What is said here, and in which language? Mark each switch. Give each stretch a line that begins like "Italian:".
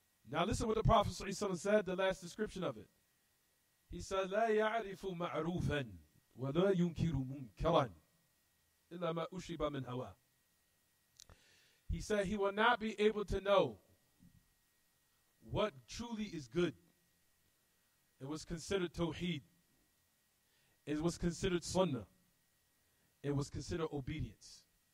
English: Now listen what the Prophet ﷺ said, the last description of it. He said,
Arabic: لَا يَعْرِفُ مَعْرُوفًا وَلَا يُنْكِرُ مُنْكَرًا إِلَّا مَا أُشْرِبَ مِنْ هَوَى.
English: He said he will not be able to know what truly is good. It was considered Tawheed. It was considered Sunnah. It was considered obedience.